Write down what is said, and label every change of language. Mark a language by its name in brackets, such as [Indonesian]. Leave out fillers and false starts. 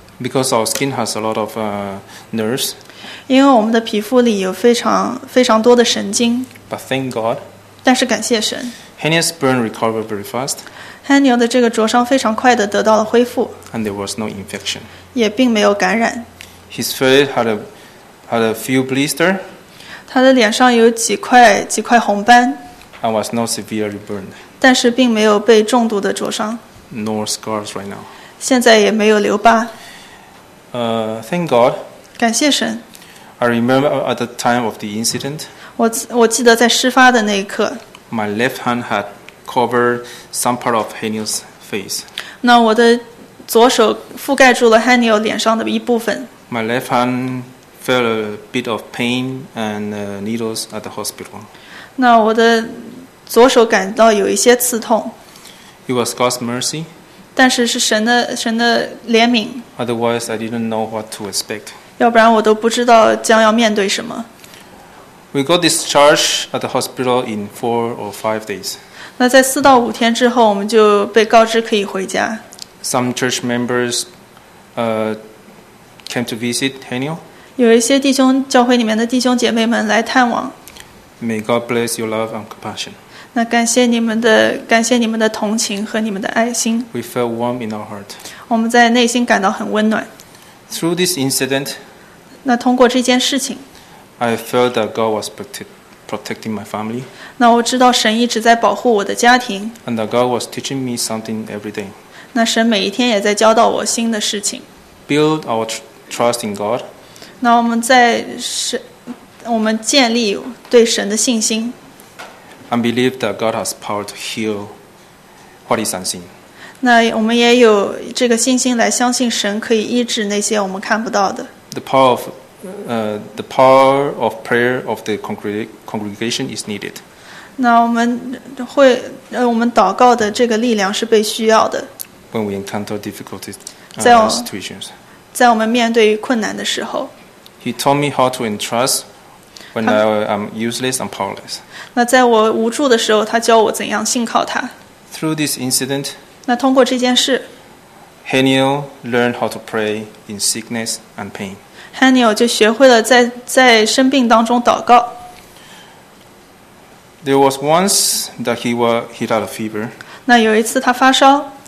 [English] Because our skin has a lot of nerves. [Chinese] 因为我们的皮肤里有非常非常多的神经。 [English] But thank God. [Chinese] 但是感谢神。 [English] Haniel's burn recovered very fast. [Chinese] Haniel 的这个灼伤非常快的得到了恢复。 [English] And there was no infection. [Chinese] 也并没有感染。 [English] His face had a few blisters. [Chinese] 他的脸上有几块红斑。 [English] And was not severely burned. [Chinese] 但是并没有被重度的灼伤。 [English] Nor scars right now. [Chinese] 现在也没有留疤。 [English] Thank God. [Chinese] 感谢神。 [English] I remember at the time of the incident. [Chinese] 我记得在事发的那一刻。 [English] My left hand had covered some part of Haniel's face. [Chinese] 那我的左手覆盖住了 Haniel 脸上的一部分。 [English] My left hand felt a bit of pain and needles at the hospital. [Chinese] 那我的左手感到有一些刺痛。 [English] It was God's mercy. [Chinese] 但是是神的怜悯。 [English] Otherwise, I didn't know what to expect. [Chinese] 要不然我都不知道将要面对什么。 [English] We got discharged at the hospital in 4 or 5 days. [Chinese] 那在4到5天之后，我们就被告知可以回家。 [English] Some church members, came to visit Haniel. [Chinese] 有一些弟兄教会里面的弟兄姐妹们来探望。 [English] May God bless your love and compassion. [Chinese] 那感谢你们的同情和你们的爱心。 [English] We felt warm in our heart. [Chinese] 我们在内心感到很温暖。 [English] Through this incident. [Chinese] 那通过这件事情。 [English] I felt that God was protecting my family. [Chinese] 那我知道神一直在保护我的家庭。 [English] And that God was teaching me something every day. [Chinese] 那神每一天也在教导我新的事情。 [English] Build our trust in God. [Chinese] 那我们建立对神的信心。 [English] And believe that God has power to heal what is unseen. [Chinese] 那我们也有这个信心来相信神可以医治那些我们看不到的。 [English] The power of prayer of the congregation is needed. [Chinese] 那我们祷告的这个力量是被需要的。 [English] When we encounter difficulties, situations. [Chinese] 在我们面对困难的时候。 [English] He taught me how to entrust when I am useless and powerless. [Chinese] 那在我无助的时候，他教我怎样信靠他。 [English] Through this incident. [Chinese] 那通过这件事。 [English] Haniel learned how to pray in sickness and pain. [Chinese] Haniel 就学会了在生病当中祷告。 [English] There was once that he had a fever. [Chinese] 那有一次他发烧。